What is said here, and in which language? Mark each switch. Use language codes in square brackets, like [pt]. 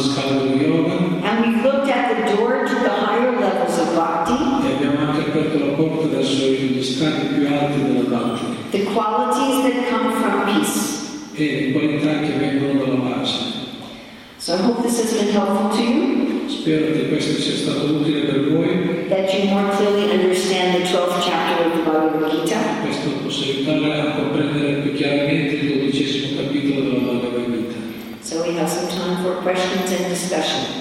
[en] And we've looked at the door to the higher levels of bhakti. The qualities that come from peace. So I hope this has been helpful to you. [it] Spero che questo sia stato utile per voi. [en] That you more clearly understand the 12th chapter of the Bhagavad Gita. [it] Questo possa aiutare a comprendere più chiaramente il 12° capitolo della Bhagavad Gita. [en] So we have some time for questions and discussion.